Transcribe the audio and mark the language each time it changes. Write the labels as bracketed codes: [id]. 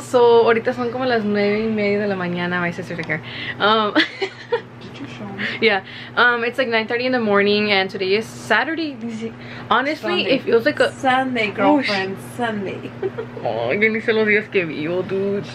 [es] So, ahorita son como las 9:30 de la mañana. [en] My sister's right here. It's like 9:30 in the morning, and today is Saturday. Honestly, Sunday. It feels like a Sunday, girlfriend. Oh, Sunday. [es] Oh, yo ni sé los días que vivo, [en] dude.